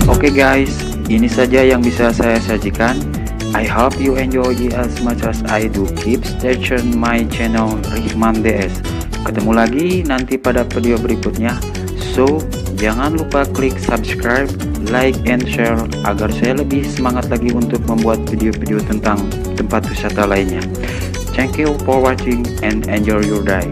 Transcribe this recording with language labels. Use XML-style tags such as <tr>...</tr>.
<id>Guys, ini saja yang bisa saya sajikan.</id> <en>I hope you enjoy it as much as I do. Keep stay tuned my channel Rihman DS.</en> <id>Ketemu lagi nanti pada video berikutnya. So, jangan lupa klik subscribe, like, and share agar saya lebih semangat lagi untuk membuat video-video tentang tempat wisata lainnya.</id> <en>Thank you for watching and enjoy your day.</en>